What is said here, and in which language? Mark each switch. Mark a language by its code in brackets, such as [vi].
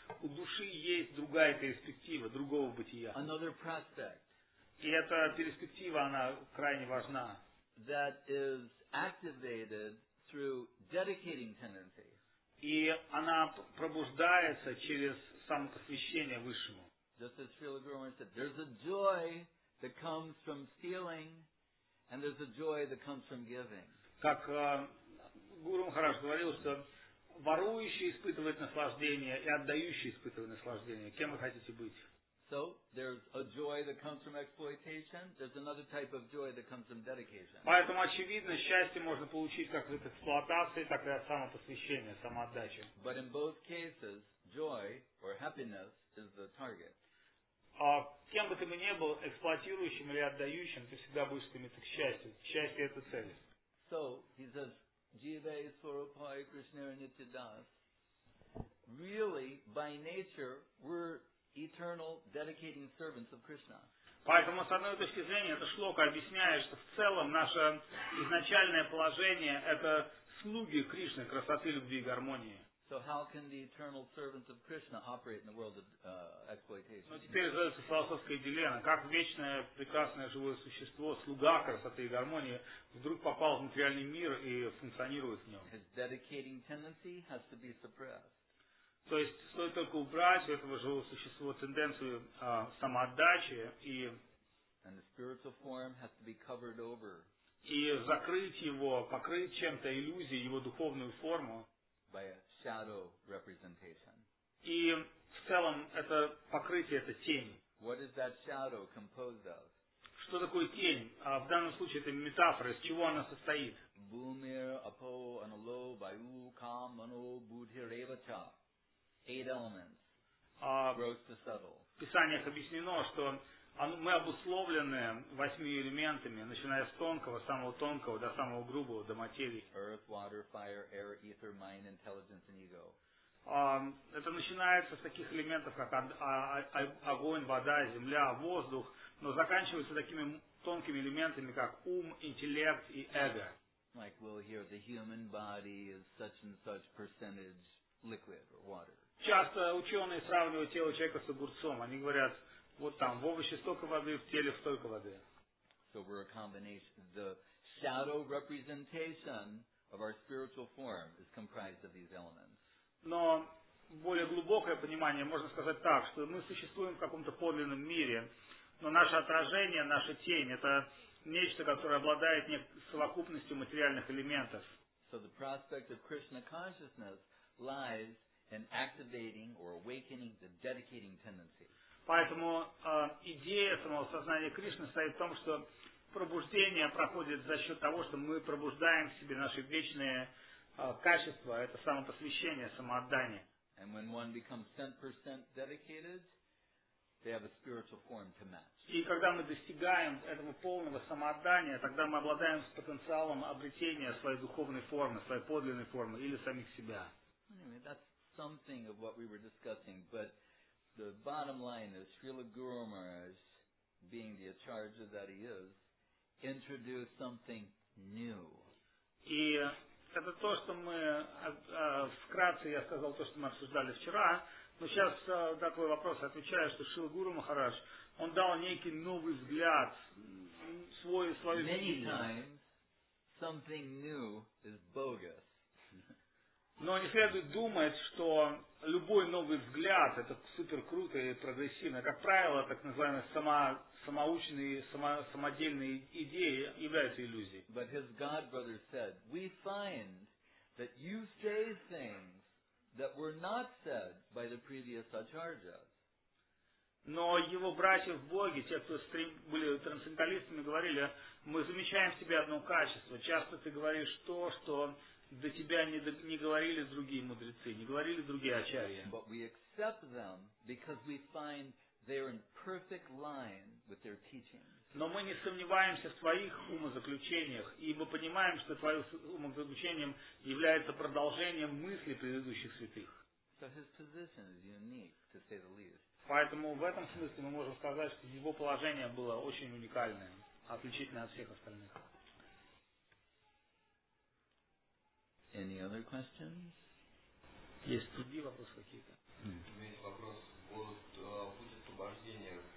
[ru] У души есть другая перспектива, другого бытия. [en] Another prospect. [ru] И эта перспектива, она крайне важна. [en] That is activated through dedicating tendency. [ru] И она пробуждается через самопосвящение Высшему. [en] Just as Srila Guru said, there's a joy that comes from stealing, and there's a joy that comes from giving. [ru] Как Гуру Махарадж говорил, что ворующий испытывает наслаждение, и отдающий испытывает наслаждение. Кем вы хотите быть? [en] So, there's a joy that comes from exploitation, there's another type of joy that comes from dedication. [ru] Поэтому, очевидно, счастье можно получить как от эксплуатации, так и от самопосвящения, самоотдачи. [en] But in both cases, joy, or happiness, is the target. [ru] Кем бы ты бы ни был, эксплуатирующим или отдающим, ты всегда будешь стремиться к счастью. Счастье – это цель. [en] So, he says, [bn] Jive, Swarupai, Krishnara, Nityadas. [en] Really, by nature, we're eternal dedicating servants of Krishna. [ru] Поэтому, с одной точки зрения, это шлока объясняет, что в целом наше изначальное положение – это слуги Кришны, красоты, любви и гармонии. [en] So how can the eternal servants of Krishna operate in the world of exploitation? [ru] Но теперь задается философская дилемма. Как вечное, прекрасное, живое существо, слуга красоты и гармонии, вдруг попал в материальный мир и функционирует в нем? [en] His dedicating tendency has to be suppressed. [ru] То есть стоит только убрать у этого живого существа тенденцию самоотдачи и... [en] And the spiritual form has to be covered over. [ru] И закрыть его, покрыть чем-то иллюзией, его духовную форму. [en] By a shadow representation. [ru] И в целом это покрытие, это тень. [en] What is that shadow composed of? [ru] Что такое тень? А в данном случае это метафора. Из чего она состоит? [sa] Bhumir, apo, analo, vayu, kam, mano, buddhi, revacha. [en] Eight elements. Gross to subtle. [ru] В писаниях объяснено, что мы обусловлены восьми элементами, начиная с тонкого, самого тонкого, до самого грубого, до материи. [en] Earth, water, fire, air, ether, mind, intelligence, and ego. [ru] Это начинается с таких элементов, как огонь, вода, земля, воздух, но заканчивается такими тонкими элементами, как ум, интеллект и эго. [en] Like we'll hear the human body is such and such percentage liquid or water. [ru] Часто ученые сравнивают тело человека с огурцом. Они говорят, вот там в овоще столько воды, в теле столько воды. [en] So we're a combination. The shadow representation of our spiritual form is comprised of these elements. [ru] Но более глубокое понимание, можно сказать так, что мы существуем в каком-то подлинном мире, но наше отражение, наша тень, это нечто, которое обладает совокупностью материальных элементов. [en] So the prospect of Krishna consciousness lies in activating or awakening the dedicating tendency. [ru] Поэтому идея самого сознания Кришны стоит в том, что пробуждение проходит за счет того, что мы пробуждаем в себе наши вечные качества, это самопосвящение, самоотдание. [en] And when one becomes 100% dedicated, they have a spiritual form to match. [ru] И когда мы достигаем этого полного самоотдания, тогда мы обладаем потенциалом обретения своей духовной формы, своей подлинной формы или самих себя. [en] Anyway, that's something of what we were discussing, but the bottom line is Srila Guru Maharaj, being the acharya that he is, introduced something new. [ru] И это то, что мы вкратце, я сказал то, что мы обсуждали вчера, но сейчас такой вопрос отвечаю, что Шрила Гуру Махарадж, он дал некий новый взгляд, свой [en] many times something new is bogus. [ru] Но не следует думать, что любой новый взгляд это супер круто и прогрессивно. Как правило, так называемые самодельные идеи являются иллюзией. [en] But his God brother said, we find that you say things that were not said by the previous acharyas. [ru] Но его братья в Боге, те, кто были трансценденталистами, говорили, мы замечаем в тебе одно качество. Часто ты говоришь то, что до тебя не говорили другие мудрецы, не говорили другие ачарьи. [en] But we accept them because we find they are in perfect line with their teachings. [ru] Но мы не сомневаемся в твоих умозаключениях, и мы понимаем, что твоим умозаключением является продолжением мысли предыдущих святых. [en] So his position is unique, to say the least. [ru] Поэтому в этом смысле мы можем сказать, что его положение было очень уникальное, отличительное от всех остальных. [en] Any other questions? [ru] Есть другие вопросы какие-то? Есть вопрос. Будет освобождение.